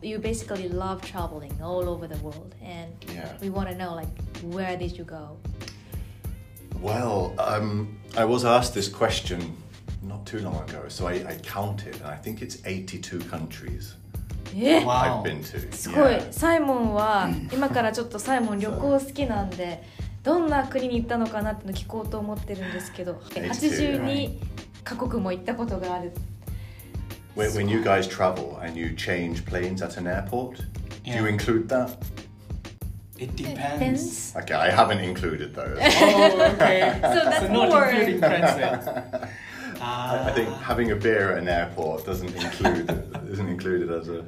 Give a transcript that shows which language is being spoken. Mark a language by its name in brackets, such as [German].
[English] You basically love traveling all over the world. And we want to know, like, where did you go? Well, I was asked this question not too long ago. So I counted, and I think it's 82 countries. Yeah. Wow. I've been to. [Japanese] すごい。サイモンは今からちょっとサイモン旅行好きなんで。どんな国に行ったのかなっての聞こうと思ってるんですけど、82カ国も行ったことがある。 [English] When you guys travel and you change planes at an airport, do you include that? It depends. Okay, I haven't included those. Oh, okay. So that's not including France. I think having a beer at an airport isn't included as a.